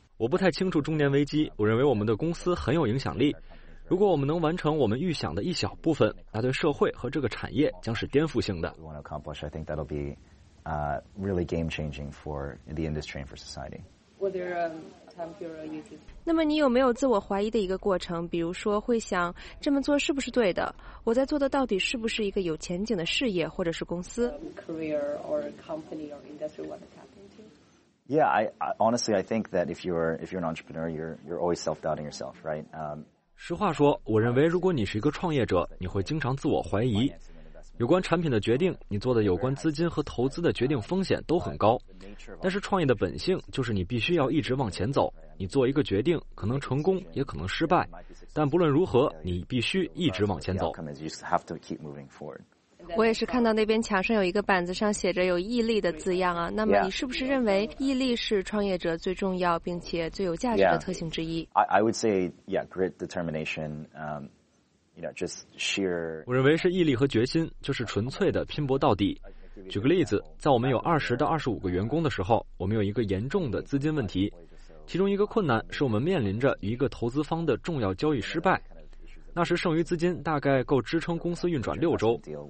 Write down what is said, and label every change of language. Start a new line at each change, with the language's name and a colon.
Chinese: 我不太清楚中年危机，我认为我们的公司很有影响力。如果我们能完成我们预想的一小部分，那对社会和这个产业将是颠覆性的。
English: Really game-changing for the industry and for society. I think that if you're an entrepreneur, you're always self-doubting yourself, right?
Chinese: 实话说，我认为如果你是一个创业者，你会经常自我怀疑。有关产品的决定，你做的有关资金和投资的决定风险都很高，但是创业的本性就是你必须要一直往前走。你做一个决定，可能成功也可能失败，但不论如何，你必须一直往前走。我也是看到那边墙上有一个板子上写着有毅力的字样啊，那么你是不是认为毅力是创业者最重要并且最有价值的特性之一？
English: I would say yeah, grit, determination, You know, just sheer.
Chinese: 我认为是毅力和决心，就是纯粹的拼搏到底。举个例子，在我们有20到25个员工的时候，我们有一个严重的资金问题，其中一个困难是我们面临着一个投资方的重要交易失败，那时剩余资金大概够支撑公司运转6周。